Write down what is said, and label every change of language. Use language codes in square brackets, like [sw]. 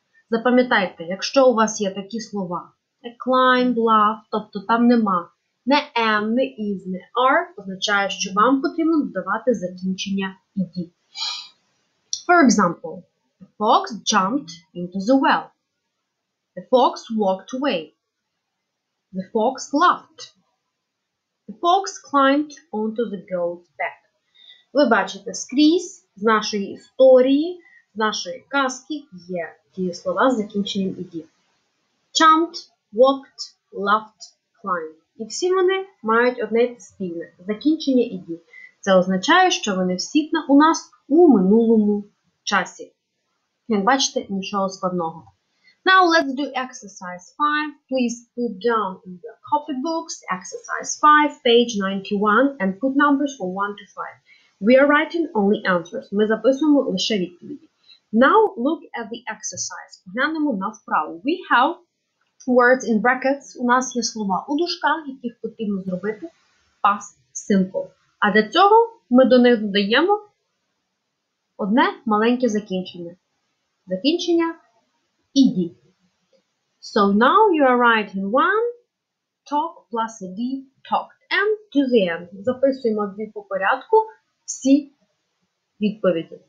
[uk] Запам'ятайте, якщо у вас є такі слова, a climb, laugh, тобто там нема не am, не is, не are, означає, що вам потрібно додавати закінчення ed. [en] For example, the fox jumped into the well. The fox walked away. The fox laughed. The fox climbed onto the goat's back. [uk] Ви бачите, скрізь з нашої історії, з нашої казки є ті слова з закінченням ed. [en] Jumped, walked, laughed, climbed. [uk] І всі вони мають одне спільне – закінчення ed. Це означає, що вони всі у нас у минулому часі. Як бачите, нічого складного. [en] Now let's do exercise 5. Please put down in the copy books, exercise 5, page 91, and put numbers from 1 to 5. We are writing only answers. [uk] Ми записуємо лише відповіді. [en] Now look at the exercise. [uk] Поглянемо на вправу. [en] We have words in brackets. [uk] У нас є слова у дужках, яких потрібно зробити past simple. А для цього ми до них додаємо одне маленьке закінчення. Закінчення ed. [en] So now you are writing one, talk plus ed, talked, and to the end. [uk] Записуємо дві по порядку всі відповіді.